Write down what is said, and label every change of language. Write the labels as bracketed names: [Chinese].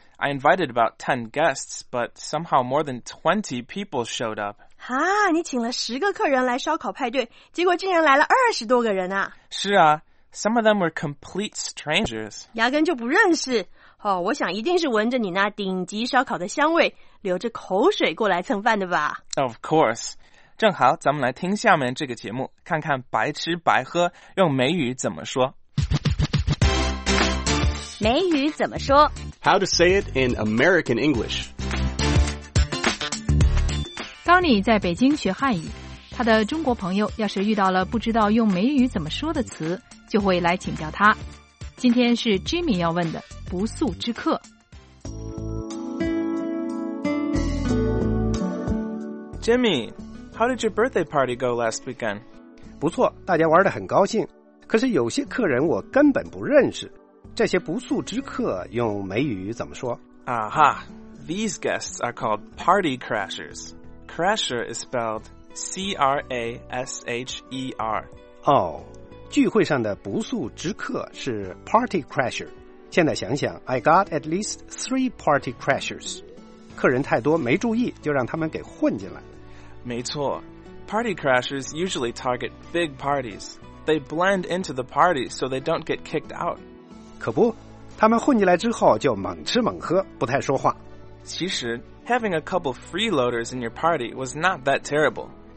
[English] I invited about 10 guests, but somehow more than 20 people showed up. [Chinese] 哈，你请了十个客人来烧烤派对，结果竟然来了20多个人啊。是啊， [English] some of them were complete strangers. [Chinese] 压根就不认识。哦，我想一定是闻着你那顶级烧烤的香味，流着口水过来蹭饭的吧。 [English] Of course. [Chinese] 正好咱们来听下面这个节目，看看白吃白喝，用美语怎么说。美语怎么说？ [English] How to say it in American English. [Chinese] 当你在北京学汉语，他的中国朋友要是遇到了不知道用美语怎么说的词，就会来请教他。今天是 Jimmy 要问的不速之客。 [English] Jimmy, how did your birthday party go last weekend? [Chinese] 不错，大家玩得很高兴，可是有些客人我根本不认识。这些不速之客用美语怎么说？ [English] 啊哈， these guests are called party crashers. Crasher is spelled C-R-A-S-H-E-R. [Chinese] 哦，聚会上的不速之客是 party crasher. 现在想想 [English] ，I got at least 3 party crashers. [Chinese] 客人太多，没注意，就让他们给混进来。没错 [English] ，party crashers usually target big parties. They blend into the party so they don't get kicked out. [Chinese] 可不，他们混进来之后就猛吃猛喝，不太说话。其实 [English] ，having a couple freeloaders in your party was not that terrible.